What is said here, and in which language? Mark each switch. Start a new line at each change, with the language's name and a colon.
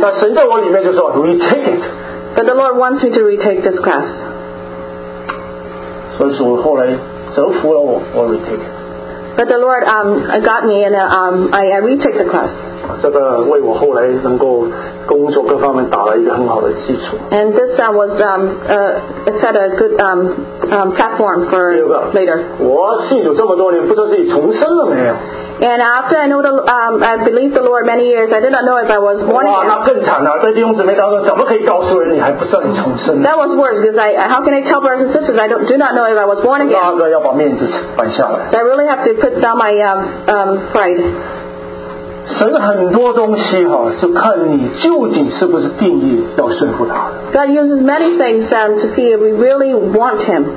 Chinese: 那神在我里面就说
English: retake it. But the Lord wants me to retake this class.
Chinese: 所以主后来折服了我
English: retake it. But the Lord got me and I retake the class.
Chinese: 这个为我后来能够工作各方面打了一个很好的基础。
English: And this was set a good platform for later.
Chinese: 我信主这么多年，不知道自己重生了没有。
English: And after I know the, I believed the Lord many years, I did not know if I was born again.
Chinese: 哇，那更惨了，在弟兄姊妹当中，怎么可以告诉人你还不算你重生？
English: That was worse because I, how can I tell brothers and sisters I do not know if I was born again?
Chinese: 那个要把面子摆下来。
English: So I really have to put down my pride.
Chinese: 神很多东西哈，是看你究竟是不是定义要顺服他。
English: God uses many things to see if we really want Him.